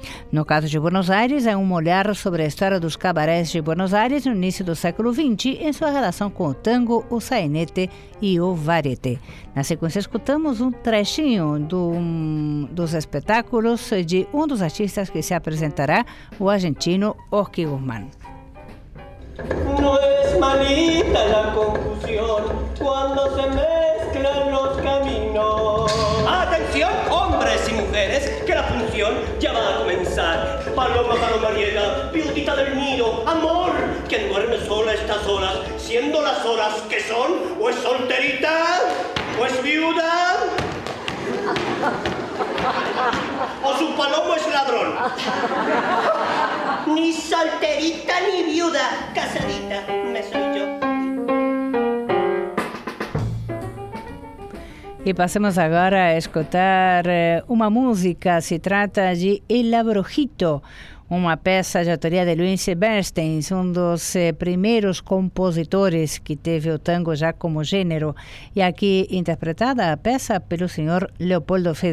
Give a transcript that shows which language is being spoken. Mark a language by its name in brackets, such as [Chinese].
[Portuguese] No caso de Buenos Aires, é um olhar sobre a história dos cabarés de Buenos Aires no início do século XX em sua relação com o tango, o sainete e o varieté. Na sequência, escutamos um trechinho dos espetáculos de um dos artistas que se apresentará, o argentino Orquí Guzmán. [Spanish] No es malita la confusión cuando se mezclan los caminos. Atención, hombres y mujeres, que la función ya va a comenzar. Paloma, paloma riega, viudita del nido, amor, que duerme sola estas horas, siendo las horas que son, o es solterita, o es viuda. O su palomo es ladrón. Ni solterita ni viuda, casadita me soy yo. [Portuguese] E passamos agora a escutar uma música. Se trata de El Abrojito, uma peça de autoria de Luiz Bernstein, um dos primeiros compositores que teve o tango já como gênero. E aqui interpretada a peça pelo senhor Leopoldo Federico.